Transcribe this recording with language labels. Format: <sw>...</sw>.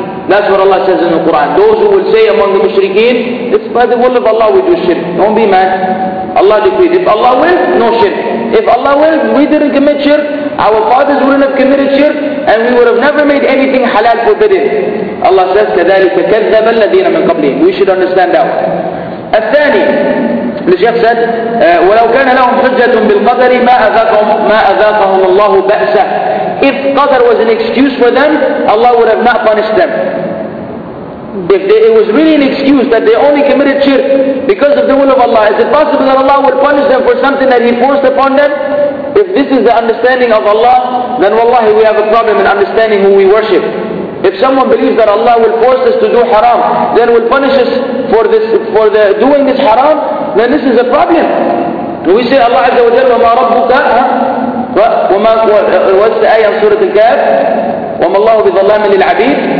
<en>That's what Allah says in the Quran. Those who will say among the mushrikeen, it's by the will of Allah we do shirk. Don't be mad. Allah decreed. If Allah will, no shirk. If Allah will, we didn't commit shirk. Our fathers wouldn't have committed shirk. And we would have never made anything halal forbidden. Allah says,</en> <ar>كَذَلِكَ كَذَّبَ الَّذِينَ مِنْ قَبْلِهِمْ.</ar> <en>We should understand that.</en> <ar>الثاني,</ar> <en>the Shaykh said,</en> <ar>وَلَوْ كَانَ لَهُمْ حُجَّةٌ بِالْقَدَرِ مَا أَذَاقَهُمُ اللَّهُ بَأْسَهُ.</ar> <en>If qadr was an excuse for them, Allah would have not punished them. If it was really an excuse that they only committed shirk because of the will of Allah, is it possible that Allah would punish them for something that He forced upon them? If this is the understanding of Allah, then wallahi we have a problem in understanding who we worship. If someone believes that Allah will force us to do haram, then will punish us for doing this haram, then this is a problem. We say</en> <ar>Allah Azza wa Jalla, ma rabbuka, وما وسط آية سورة الكهف وما الله بظلام للعبيد.</ar>